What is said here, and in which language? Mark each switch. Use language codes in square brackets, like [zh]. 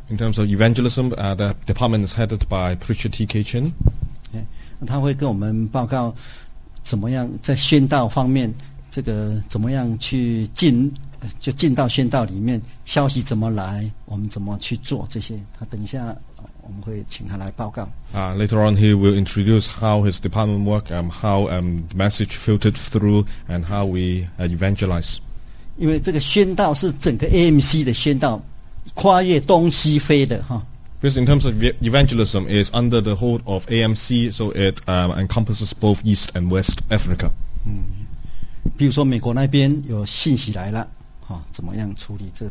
[en] In terms of evangelism, the department is headed by Preacher T.K. Chen. [zh] 他会跟我们报告怎么样在宣道方面，这个怎么样去进。就进到宣道里面，消息怎么来，我们怎么去做这些，他等一下我们会请他来报告。 [en] Later on he will introduce how his department work, how message filtered through and how we evangelize. [zh] 因为这个宣道是整个 AMC 的宣道，跨越东西非的哈。 [en] Because in terms of evangelism is under the hold of AMC, so it encompasses both East and West Africa. [zh] 比如说美国那边有信息来了怎么样处理这个？